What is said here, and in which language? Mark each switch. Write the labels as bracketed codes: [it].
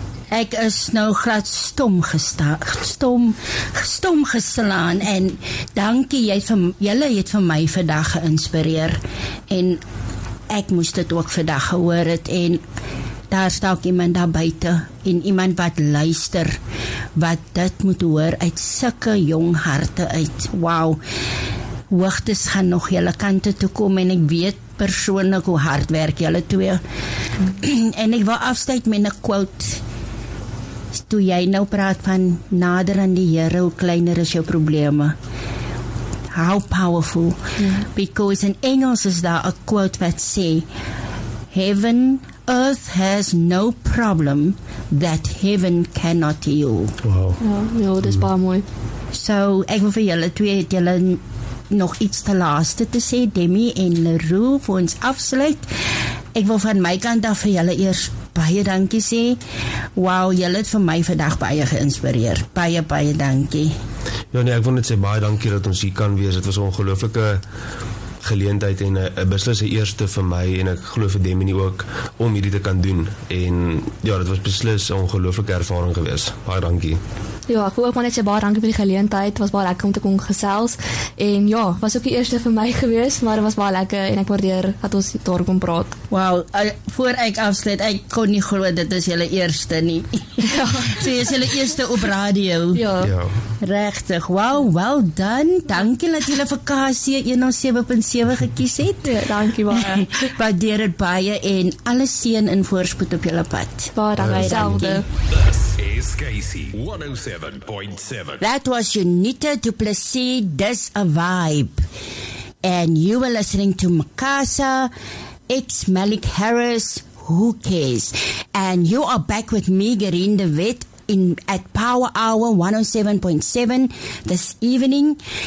[af] Ek is nou glad stom geslaan en dankie, julle het vir my vandag geïnspireer en ek moes dit ook vandag gehoor het, en daar staak iemand daar buite en iemand wat luister wat dit moet hoor uit sulke jong harte uit. Wow, hoogtes gaan nog julle kante toe kom, en ek weet persoonlik hoe hard werk julle twee. En ek wil afsluit met 'n quote. Toe jy nou praat van nader aan die Here, hoe kleiner is jou probleme. [en] How powerful. Yeah. Because [af] in Engels is daar [en] a quote [af] wat sê, [en] heaven, earth has no problem that heaven cannot heal. Wow. [af] Ja, dit is baie mooi. So, ek wil vir julle twee, het julle nog iets te laaste te sê, Demi en Leroux, voor ons afsluit. Ek wil van my kant af vir julle eers baie dankie sê. Wow, julle het vir my vandag baie geïnspireer. Baie, baie dankie. Ja, nee, ek wil net sê baie dankie dat ons hier kan wees. Het was ongelooflike geleentheid en een beslis eerste vir my en ek geloof vir Demi ook om hierdie te kan doen en ja, dit was beslis een ongelooflike ervaring gewees. Baie dankie. Ja, ek wil ook maar net sê baie dankie vir die geleentheid, was baie lekker om te kon gesels en ja, was ook die eerste vir my gewees, maar het was baie lekker en ek waardeer dat ons daar kon praat. Wow, voor ek afsluit, ek kon nie glo dit is julle eerste nie. Ja. So, is julle eerste op radio. Ja. Rechtig, wow, [en] well done. [af] Dankie dat julle vir Kasie 107.7 gekies het. Ja, dankie baie. Waardeer het baie en alle seën en voorspoed op julle pad. Baie dankie. Dankie. Casey 107.7. [en] That was Junita du Plessis, Dis a Vibe. And you were listening to Makasa, it's Malik Harris, Who Cares? And you are back with me, Gerine de Wet, at Power Hour 107.7 this evening.